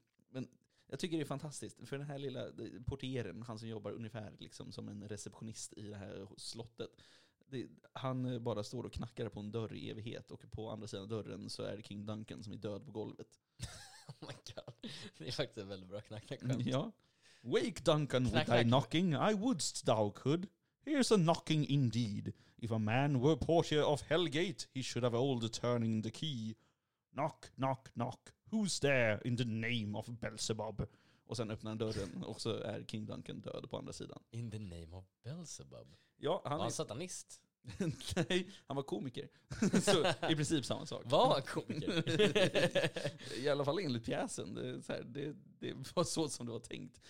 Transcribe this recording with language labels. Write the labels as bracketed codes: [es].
[sv] Men jag tycker det är fantastiskt. För den här lilla portieren, han som jobbar ungefär liksom som en receptionist i det här slottet. Han bara står och knackar på en dörr i evighet och på andra sidan dörren så är det King Duncan som är död på golvet. [en] Oh my god. [sv] Det är faktiskt en väldigt bra knack-knack-skämt. Ja. [en] Wake Duncan with thy knocking, I wouldst thou could. Here's a knocking indeed. If a man were portier of Hellgate, he should have old turning the key. Knock, knock, knock. Who's there in the name of Beelzebub? [sv] Och sen öppnar han dörren och så är King Duncan död på andra sidan. [en] In the name of Beelzebub? [sv] Ja, han är satanist. Nej, han var komiker. Så i princip samma sak. Var komiker? I alla fall enligt pjäsen. Det var så som det var tänkt.